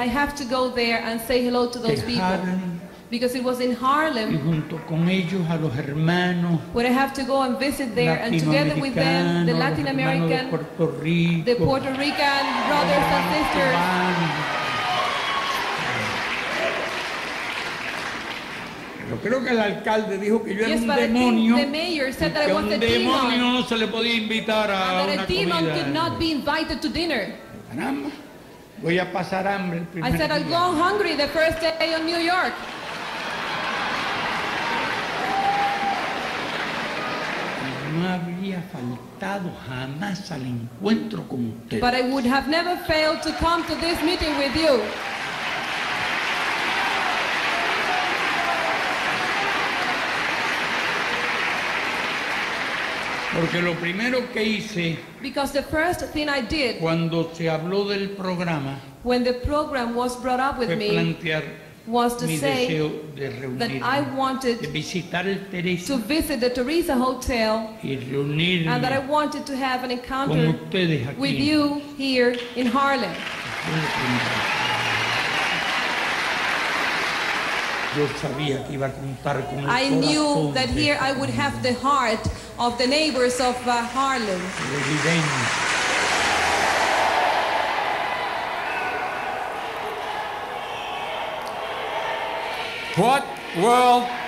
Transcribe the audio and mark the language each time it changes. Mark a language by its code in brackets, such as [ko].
[en] I have to go there and say hello to those people. Harlem, because it was in Harlem, [es] y junto con ellos, a los hermanos, [en] where I have to go and visit there, and together with them, the Latin American, the Puerto Rican brothers and sisters. [es] Yo creo que el alcalde dijo que yo era un demonio. [en] The mayor said that I was a demon. [es] Un demonio no se le podía invitar a una comida. [en] And that a demon could not be invited to dinner. [es] Caramba, voy a pasar hambre el primer día. [en] I said, I'll go hungry the first day in New York. [es] No habría faltado jamás al encuentro con usted. [en] But I would have never failed to come to this meeting with you. [es] Porque lo primero que hice, [en] because the first thing I did, [es] cuando se habló del programa, [en] when the program was brought up with me, was to say that I wanted to visit the Teresa Hotel and that I wanted to have an encounter with you here in Harlem. [es] Yo sabía que iba a contar con el [en] I knew that here I would have the heart of the neighbors of Harlem. What world?